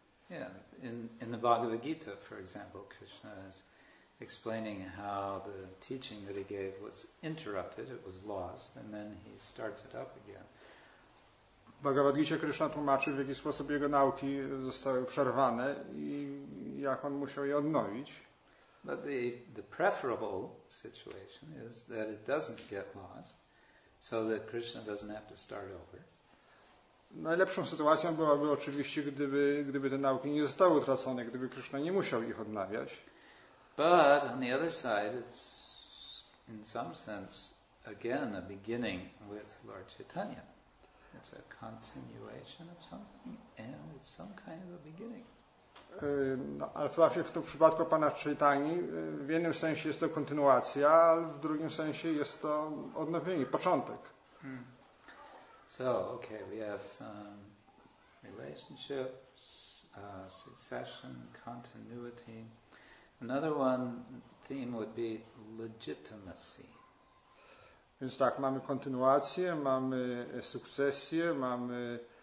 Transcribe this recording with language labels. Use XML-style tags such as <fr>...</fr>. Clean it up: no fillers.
<en>Yeah, in the Bhagavad Gita, for example, Krishna is explaining how the teaching that he gave was interrupted, it was lost, and then he starts it up again.</en> <pl>W Bhagavad Gita Krishna tłumaczy, w jaki sposób jego nauki zostały przerwane i jak on musiał je odnowić.</pl> <en>But the preferable situation is that it doesn't get lost, so that Krishna doesn't have to start over.</en> <pl>Najlepszą sytuacją byłaby oczywiście, gdyby te nauki nie zostały utracone, gdyby Krishna nie musiał ich odnawiać.</pl> <en>But on the other side, it's in some sense again a beginning with Lord Chaitanya. It's a continuation of something, and it's some kind of a beginning.</en> <pl>No, ale w tym przypadku Pana Chaitanyi w jednym sensie jest to kontynuacja, a w drugim sensie jest to odnowienie, początek. Hmm.</pl> <en>So, okay, we have relationships, succession, continuity. Another one theme would be legitimacy.</en> <pl>Więc tak, mamy kontynuację, mamy sukcesję, mamy...</pl>